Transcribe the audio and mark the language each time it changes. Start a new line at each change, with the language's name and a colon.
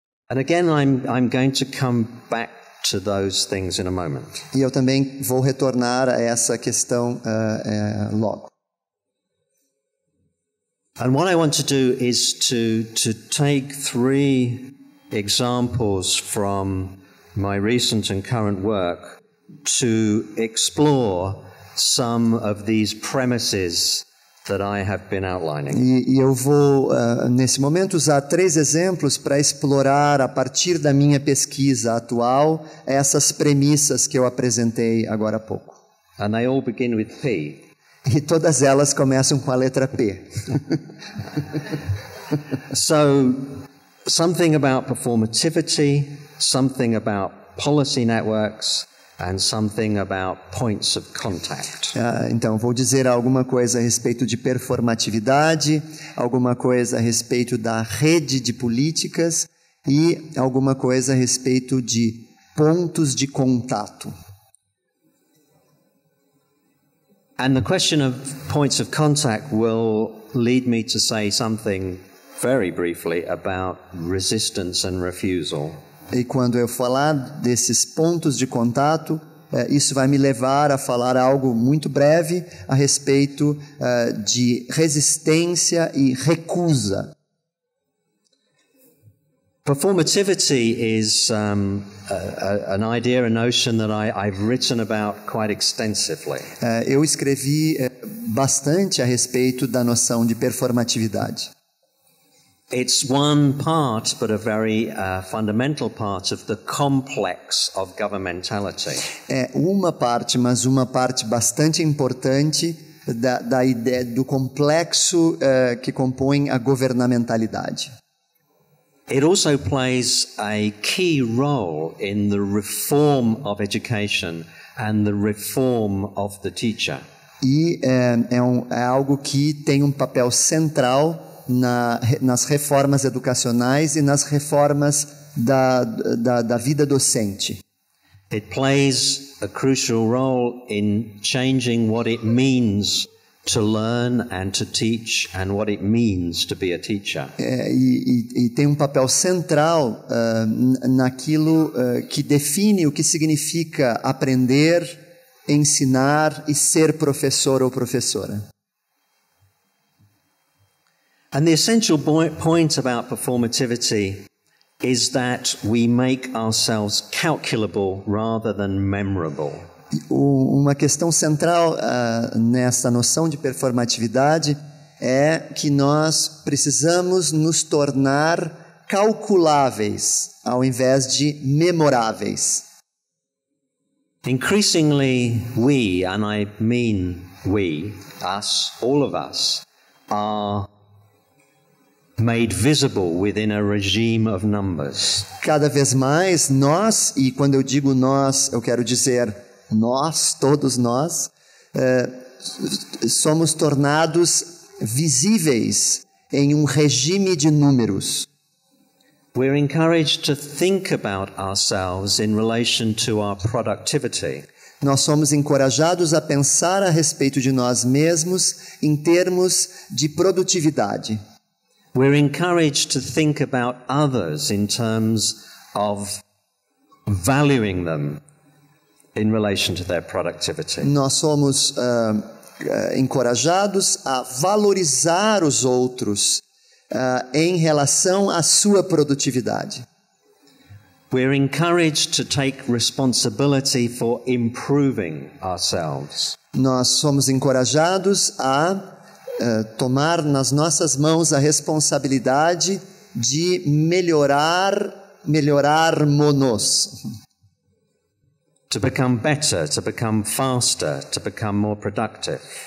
English: And again, I'm going to come back to those things in a moment.
Portuguese: E eu também vou retornar a essa questão logo.
English: And what I want to do is to take three examples from my recent and current work to explore some of these premises that I have been outlining.
Portuguese: E eu vou, nesse momento, usar três exemplos para explorar, a partir da minha pesquisa atual, essas premissas que eu apresentei agora há pouco.
English: And they all begin with P.
Portuguese: E todas elas começam com a letra P.
English: So, something about performativity, something about policy networks, and something about points of contact.
Portuguese: Então, vou dizer alguma coisa a respeito de performatividade, alguma coisa a respeito da rede de políticas e alguma coisa a respeito de pontos de contato.
English: And the question of points of contact will lead me to say something very briefly about resistance and refusal.
Portuguese: E quando eu falar desses pontos de contato, isso vai me levar a falar algo muito breve a respeito de resistência e recusa.
English: Performativity is an idea, a notion that I've written about quite extensively.
Portuguese: Eu escrevi bastante a respeito da noção de performatividade.
English: It's one part, but a very fundamental part of the complex of governmentality.
Portuguese: É uma parte, mas uma parte bastante importante da ideia do complexo que compõe a governamentalidade.
English: It also plays a key role in the reform of education and the reform of the teacher.
Portuguese: E é algo que tem um papel central nas reformas educacionais e nas reformas da vida docente.
English: It plays a crucial role in changing what it means to learn and to teach and what it means to be a teacher.
Portuguese: E tem um papel central naquilo que define o que significa aprender, ensinar e ser professor ou professora.
English: And the essential point about performativity is that we make ourselves calculable rather than memorable.
Portuguese: Uma questão central nessa noção de performatividade é que nós precisamos nos tornar calculáveis ao invés de memoráveis.
English: Increasingly, we, and I mean we, us, all of us, are made visible within a regime of numbers.
Portuguese: Cada vez mais nós, e quando eu digo nós, eu quero dizer nós, todos nós, somos tornados visíveis em um regime de números.
English: We're encouraged to think about ourselves in relation to our productivity.
Portuguese: Nós somos encorajados a pensar a respeito de nós mesmos em termos de produtividade.
English: We're encouraged to think about others in terms of valuing them in relation to their productivity.
Portuguese: Nós somos encorajados a valorizar os outros em relação à sua produtividade.
English: We're encouraged to take responsibility for improving ourselves.
Portuguese: Nós somos encorajados a tomar nas nossas mãos a responsabilidade de melhorarmos-nos.
English: To become better, to become faster, to become more productive.